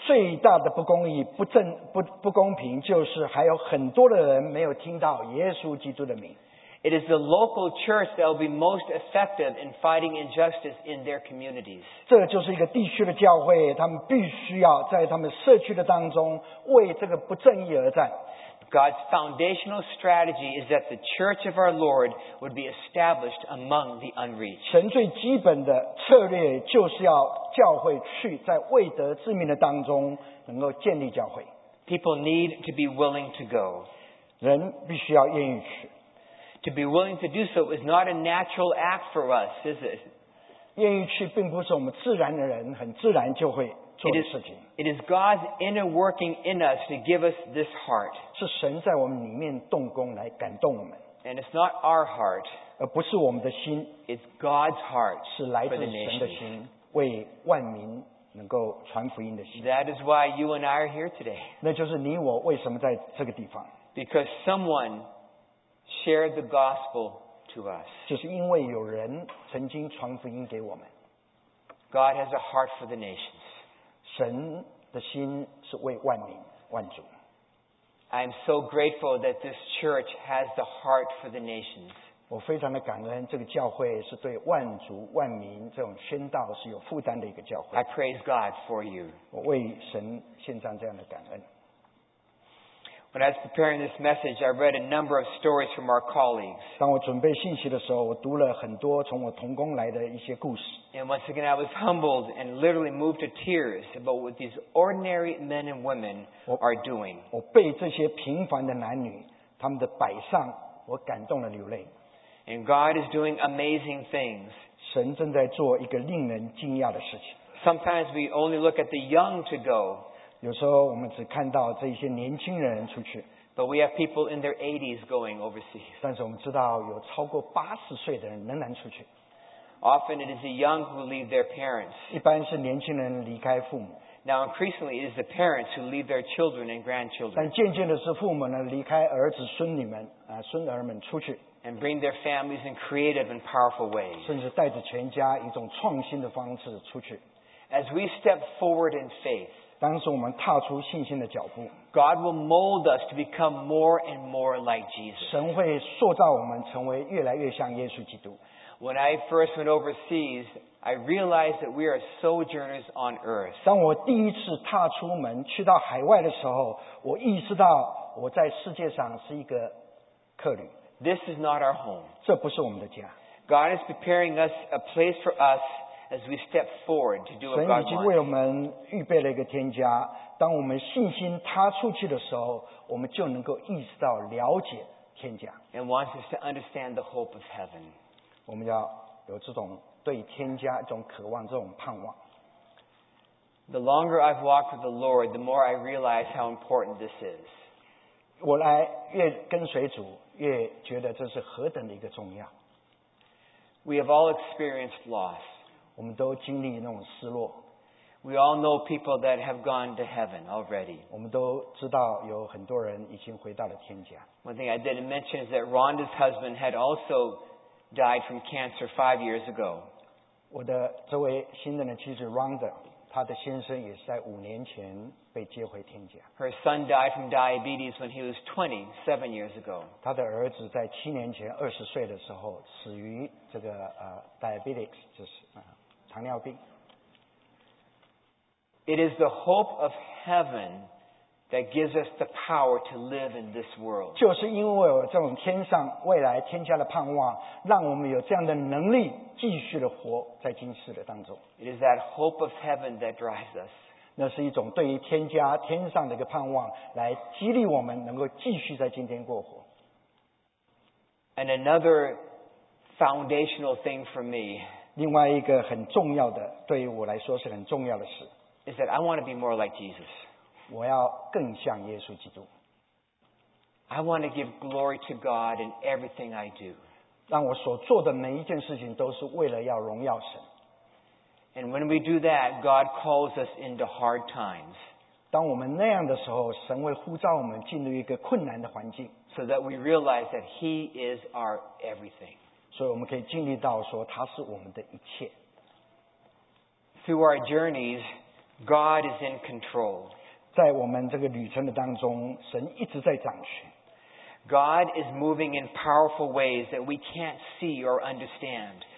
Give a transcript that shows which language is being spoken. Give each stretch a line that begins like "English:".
Chinese: 最大的不公义、不公平就是还有很多的人没有听到耶稣基督的名。
English: It is the local church that will be most effective in fighting injustice in their communities.
Chinese: 这就是一个地区的教会，他们必须要在他们社区的当中为这个不正义而战。
English: God's foundational strategy is that the church of our Lord would be established among the unreached.
Chinese: 神最基本的策略就是要教会去在未得之民的当中能够建立教会。
English: People need to be willing to go.
Chinese: 人必须要愿意去。
English: To be willing to do so is not a natural act for us, is it?
Chinese: 愿意去并不是我们自然的人很自然就会做的事情。
English: It is God's inner working in us to give us this heart.
Chinese: 是神在我们里面动工来感动我们。
English: And it's not our heart.
Chinese: 而不是我们的心。
English: It's God's heart.
Chinese: 是来自神的心，为万民能够传福音的心。
English: That is why you and I are here today.
Chinese: 那就是你我为什么在这个地方。
English: Because someone shared the gospel to us.
Chinese: 就是因为有人曾经传福音给我们。
English: God has a heart for the nations.
Chinese: 神的心是为万民万族。
English: I am so grateful that this church has the heart for the nations.
Chinese: 我非常的感恩这个教会是对万族万民这种宣道是有负担的一个教会。
English: I praise God for you.
Chinese: 我为神献上这样的感恩。
English: When I was preparing this message, I read a number of stories from our colleagues.
Chinese: 当我准备信息的时候，我读了很多从我同工来的一些故事。
English: And once again, I was humbled and literally moved to tears about what these ordinary men and women are doing.
Chinese: 我被这些平凡的男女他们的摆上，我感动了流泪。
English: And God is doing amazing things.
Chinese: 神正在做一个令人惊讶的事情。
English: Sometimes we only look at the young to go.
Chinese: 有时候我们只看到这些年轻人出去。
English: But we have people in their 80s going overseas.
Chinese: 但是我们知道有超过80岁的人仍然出去。
English: Often it is the young who leave their parents.
Chinese: 一般是年轻人离开父母。
English: Now increasingly it is the parents who leave their children and grandchildren.
Chinese: 但渐渐的是父母呢离开儿子孙女们啊孙儿们出去。
English: And bring their families in creative and powerful ways.
Chinese: 甚至带着全家一种创新的方式出去。
English: As we step forward in faith,
Chinese: 当时我们踏出信心的脚步
English: God will mold us to become more and more like Jesus.
Chinese: 神会塑造我们成为越来越像耶稣基督
English: When I first went overseas, I realized that we are sojourners on earth.
Chinese: 当我第一次踏出门去到海外的时候我意识到我在世界上是一个客旅
English: This is not our home.
Chinese: 这不是我们的家
English: God is preparing us a place for us. As we step forward to do what God wants.
Chinese: 神已经为我们预备了一个天家。当我们信心踏出去的时候，我们就能够意识到了解天家。
English: And wants us to understand the hope of heaven.
Chinese: 我们要有这种对天家一种渴望，这种盼望。
English: The longer I've walked with the Lord, the more I realize how important this is.
Chinese: 我来越跟随主，越觉得这是何等的一个重要。
English: We have all experienced loss.
Chinese: 我们都经历那种失落。
English: We all know people that have gone to heaven already.
Chinese: 我们都知道有很多人已经回到了天家。
English: One thing I didn't mention is that Rhonda's husband had also died from cancer 5 years ago.
Chinese: 我的这位新人的妻子 Rhonda, 她的先生也是在五年前被接回天家。
English: Her son died from diabetes when he was 27 years ago.
Chinese: 她的儿子在七年前20岁的时候死于这个diabetes, 就是糖尿病。
English: It is the hope of heaven that gives us the power to live in this world.
Chinese: 就是因为有这种天上未来天家的盼望，让我们有这样的能力继续的活在今世的当中。
English: It is that hope of heaven that drives us.
Chinese: 那是一种对于天家天上的一个盼望，来激励我们能够继续在今天过活。
English: And another foundational thing for me.
Chinese: 另外一个很重要的，对于我来说是很重要的事。
English: Is that I want to be more like Jesus.
Chinese: 我要更像耶稣基督。
English: I want to give glory to God in everything I do.
Chinese: 让我所做的每一件事情都是为了要荣耀神。
English: And when we do that, God calls us into hard times.
Chinese: 当我们那样的时候，神会呼召我们进入一个困难的环境。
English: So that we realize that He is our everything.
Chinese: 所以我们可以经历到说他是我们的一切。
English: Through our journeys, God is in control.
Chinese: 在我们这个旅程的当中，神一直在掌权。
English: God is moving in powerful ways that we can't see or understand.